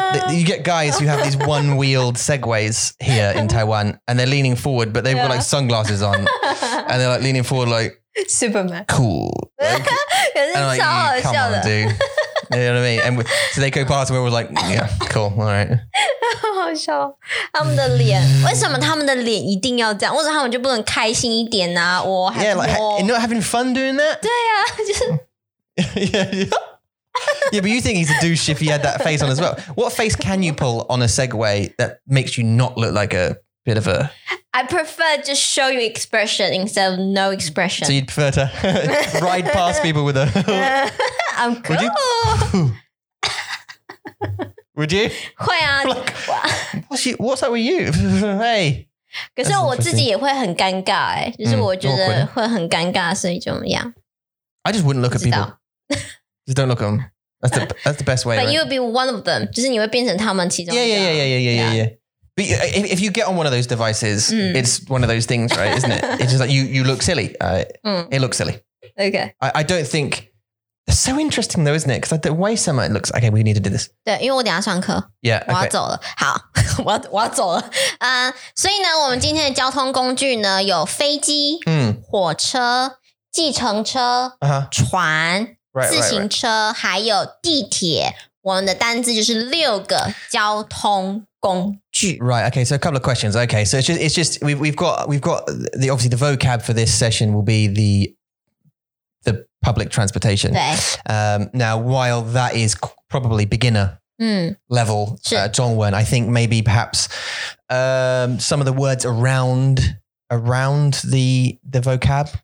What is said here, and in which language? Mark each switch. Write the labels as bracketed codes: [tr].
[en] You get guys who have these one-wheeled Segways here in Taiwan, and they're leaning forward, but they've got like sunglasses on. And they're like leaning forward like, Superman. Cool. Like, like, yeah, come on, dude. You know what I mean? And so they go past and we're like, yeah, cool. All right. [zh] 好笑。他们的脸,为什么他们的脸一定要这样?为什么他们就不能开心一点啊? [en] Yeah, like, and not having fun doing that? [zh] 对啊,就是... [en] Yeah, but you think he's a douche if he had that face on as well. What face can you pull on a Segway that makes you not look like a... bit of a... I prefer just show you expression instead of no expression. So you'd prefer to ride past people with a... I'm cool. Would you? Would you? [zh] 会啊, [en] like, what's that with you? Hey. [zh] 可是我自己也会很尴尬耶, 就是我觉得会很尴尬, 所以就怎么样? [en] I just wouldn't look at people. Just don't look at them. That's the best way. But right? You would be one of them. [zh] 就是你会变成他们其中一个, [en] yeah. But if you get on one of those devices, it's one of those things, right? Isn't it? It's just like you look silly. It looks silly. Okay. I don't think It's so interesting though, isn't it? Because the way summer it looks, okay, we need to do this. [zh] 对，因为我等一下上课。 [en] Yeah, okay. [zh] 我要走了。好，我要走了。所以呢，我们今天的交通工具呢，有飞机、火车、计程车、船、自行车，还有地铁。我们的单字就是六个交通工具。 [en] Right, okay, so a couple of questions. Okay, so it's just, we've got the, obviously the vocab for this session will be the public transportation. Now, while that is probably beginner level 中文, I think maybe perhaps some of the words around the vocab.